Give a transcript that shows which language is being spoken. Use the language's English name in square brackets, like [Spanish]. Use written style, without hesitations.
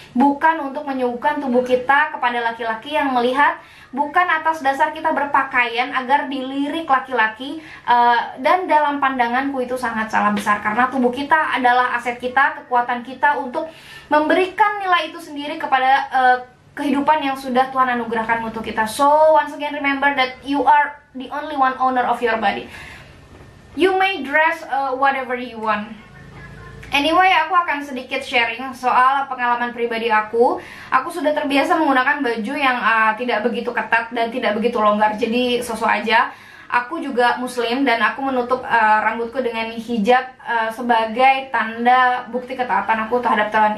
[Indonesian] Bukan untuk menyuguhkan tubuh kita kepada laki-laki yang melihat, bukan atas dasar kita berpakaian agar dilirik laki-laki, dan dalam pandanganku itu sangat salah besar, karena tubuh kita adalah aset kita, kekuatan kita untuk memberikan nilai itu sendiri kepada kehidupan yang sudah Tuhan anugerahkan untuk kita. [English] So, once again remember that you are the only one owner of your body. You may dress whatever you want. [Indonesian] Anyway, aku akan sedikit sharing soal pengalaman pribadi aku. Aku sudah terbiasa menggunakan baju yang tidak begitu ketat dan tidak begitu longgar, jadi sosok aja. aku juga muslim dan aku menutup rambutku dengan hijab sebagai tanda bukti ketaatan aku terhadap Tuhan.